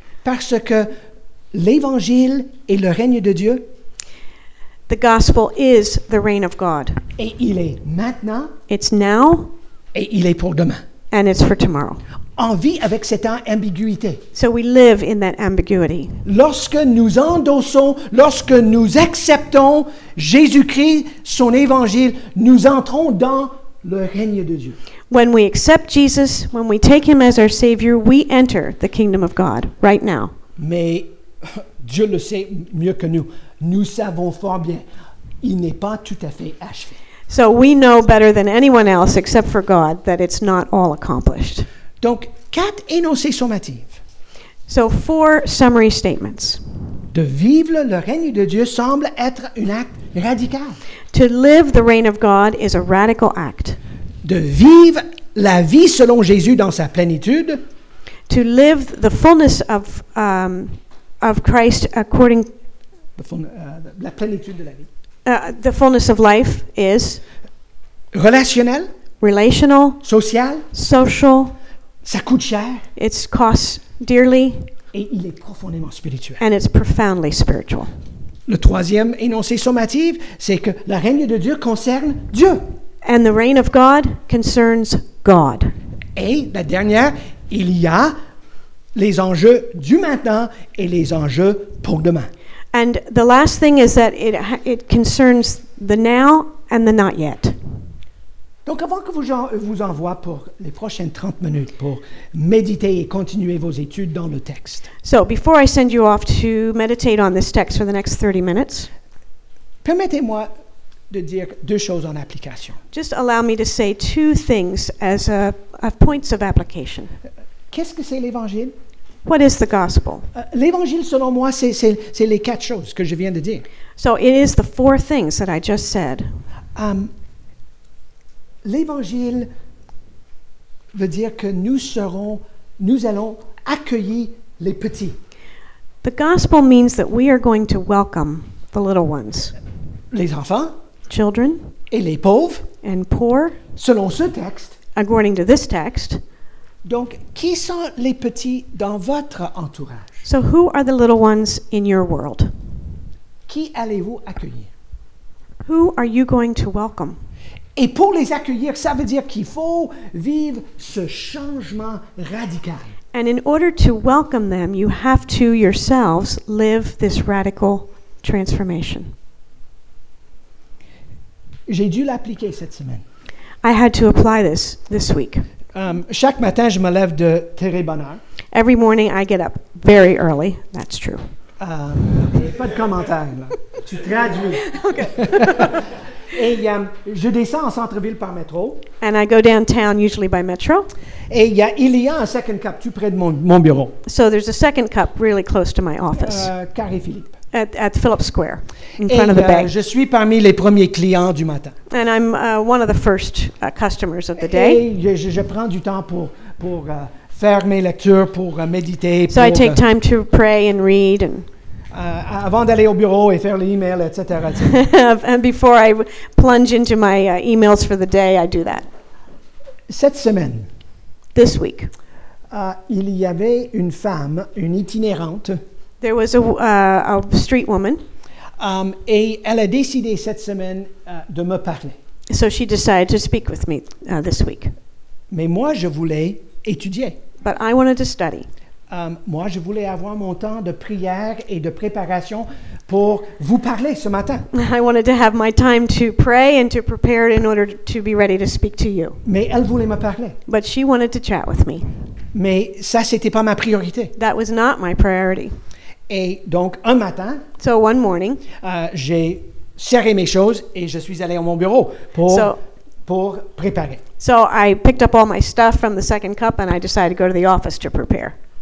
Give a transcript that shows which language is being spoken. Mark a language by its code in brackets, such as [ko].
[fr] Parce que l'évangile est le règne de Dieu. [en] The gospel is the reign of God. [fr] Et il est maintenant. [en] It's now. [fr] Et il est pour demain. [en] And it's for tomorrow. [fr] On vit avec cette ambiguïté. [en] So we live in that ambiguity. [fr] Lorsque nous endossons, lorsque nous acceptons Jésus-Christ, son évangile, nous entrons dans le règne de Dieu. [en] When we accept Jesus, when we take him as our savior, we enter the kingdom of God right now. [fr] Mais Dieu le sait mieux que nous. Nous savons fort bien, il n'est pas tout à fait achevé. [en] So we know better than anyone else except for God that it's not all accomplished. [fr] Donc, quatre énoncés sommatifs. [en] So, four summary statements. [fr] De vivre le règne de Dieu semble être un acte radical. [en] To live the reign of God is a radical act. [fr] De vivre la vie selon Jésus dans sa plénitude. [en] To live the fullness of Christ according... [fr] La plénitude de la vie. [en] The fullness of life is... [fr] Relationnel. [en] Relational. [fr] Social. [en] Social. [fr] Ça coûte cher. [en] It costs dearly. [fr] Et il est profondément spirituel. [en] And it's profoundly spiritual. [fr] Le troisième énoncé sommatif, c'est que le règne de Dieu concerne Dieu. [en] And the reign of God concerns God. [fr] Et la dernière, il y a les enjeux du maintenant et les enjeux pour demain. [en] And the last thing is that it concerns the now and the not yet. [fr] Donc avant que je vous envoie pour les prochaines 30 minutes pour méditer et continuer vos études dans le texte. [en] So before I send you off to meditate on this text for the next 30 minutes. [fr] Permettez-moi de dire deux choses en application. [en] Just allow me to say two things as a points of application. [fr] Qu'est-ce que c'est l'évangile? [en] What is the gospel? [fr] L'évangile selon moi c'est les quatre choses que je viens de dire. [en] So it is the four things that I just said. [fr] L'Évangile veut dire que nous allons accueillir les petits. [en] The gospel means that we are going to welcome the little ones. [fr] Les enfants. [en] Children. [fr] Et les pauvres. [en] And poor. [fr] Selon ce texte. [en] According to this text. [fr] Donc, qui sont les petits dans votre entourage? [en] So who are the little ones in your world? [fr] Qui allez-vous accueillir? [en] Who are you going to welcome? [fr] Et pour les accueillir, ça veut dire qu'il faut vivre ce changement radical. [en] And in order to welcome them, you have to yourselves live this radical transformation. [fr] J'ai dû l'appliquer cette semaine. [en] I had to apply this week. [fr] Chaque matin, je me lève de très bonne heure. [en] Every morning, I get up very early. That's true. [fr] Pas de commentaire, là. Tu traduis. [en] OK. [fr] Et je descends en centre-ville par métro. [en] And I go downtown usually by metro. [fr] Et il y a un second cup tout près de mon bureau. [en] So there's a second cup really close to my office. [fr] Carré Philippe. [en] At Phillips Square, in [fr] et [en] front of the bank. [fr] Et je suis parmi les premiers clients du matin. [en] And I'm one of the first customers of the day. [fr] Et je prends du temps pour faire mes lectures, pour méditer. [en] So [fr] pour, [en] I take time to pray and read and... [fr] Avant d'aller au bureau et faire les emails, etc. [en] And before I plunge into my emails for the day, I do that. [fr] Cette semaine. [en] This week. [fr] Il y avait une femme, une itinérante. [en] There was a street woman. [fr] Et elle a décidé cette semaine de me parler. [en] So she decided to speak with me this week. [fr] Mais moi, je voulais étudier. [en] But I wanted to study. [fr] Moi, je voulais avoir mon temps de prière et de préparation pour vous parler ce matin. [en] I wanted to have my time to pray and to prepare in order to be ready to speak to you. [fr] Mais elle voulait me parler. [en] But she wanted to chat with me. [fr] Mais ça, c'était pas ma priorité. [en] That was not my priority. [fr] Et donc, un matin, [en] so one morning, [fr] j'ai serré mes choses et je suis allé à mon bureau pour préparer. [en] So I picked up all my stuff from the second cup and I decided to go to the office to prepare.